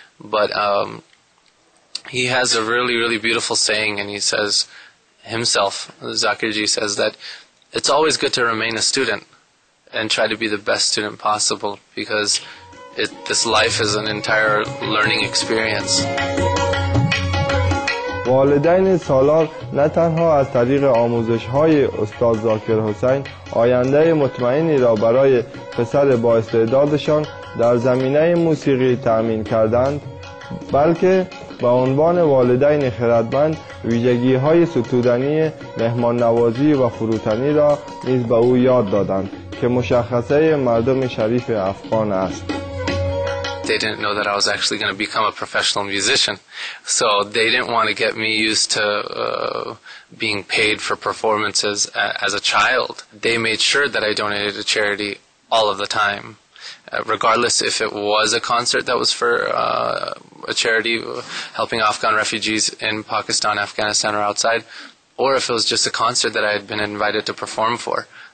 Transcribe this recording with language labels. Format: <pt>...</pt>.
<en>But he has a really, really beautiful saying, and he says himself, Zakirji says, that it's always good to remain a student and try to be the best student possible, because this life is an entire learning experience.</en> <fa>والدین سالار نه تنها از طریق آموزش های استاد زاکر حسین آینده مطمئنی را برای پسر با استعدادشان در زمینه موسیقی تأمین کردند، بلکه به عنوان والدین خردمند ویژگی های ستودنی مهمان نوازی و فروتنی را نیز به او یاد دادند که مشخصه مردم شریف افغان است.</fa> <en>They didn't know that I was actually going to become a professional musician, so they didn't want to get me used to being paid for performances as a child. They made sure that I donated to charity all of the time, regardless if it was a concert that was for a charity helping Afghan refugees in Pakistan, Afghanistan, or outside, or if it was just a concert that I had been invited to perform for.</en>